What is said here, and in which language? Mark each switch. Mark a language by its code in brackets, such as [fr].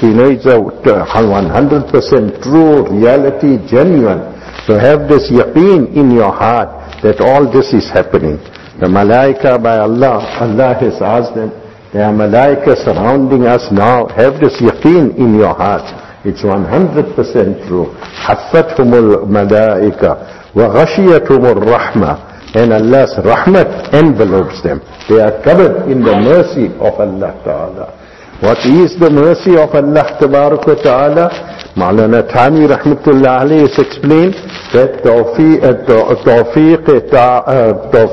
[en] We know it's a 100% true reality, genuine. So have this yaqeen in your heart that all this is happening. The malaika by Allah, Allah has asked them. There are malaika surrounding us now. Have this yaqeen in your heart. It's 100% true. [ar] حفتهم الملائكة وغشيتهم الرحمة. [en] And Allah's rahmat envelopes them. They are covered in the mercy of Allah Ta'ala. What is the mercy of Allah Tabarak wa Ta'ala? Maulana Thani rahmatullah alayhi has explained that tawfiq ita'at.